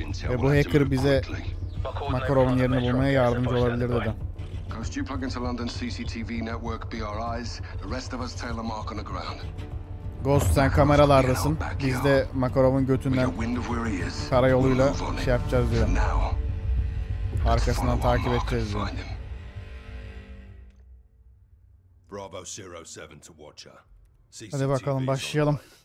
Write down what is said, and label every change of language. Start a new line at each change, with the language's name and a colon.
Turkish: Ve bu hacker bize Makarov'un yerini bulmaya yardımcı olabilir dedi.
English: Coast, you plug into London CCTV network, BRIs. The rest of us tail a mark on the ground.
Turkish: Ghost, sen kameralardasın. Biz de Makarov'un götünden karayoluyla şey yapacağız diyor. Arkasından takip edeceğiz diyor.
English: Bravo 07 to Watcher. CCTV
Turkish: Hadi bakalım başlayalım.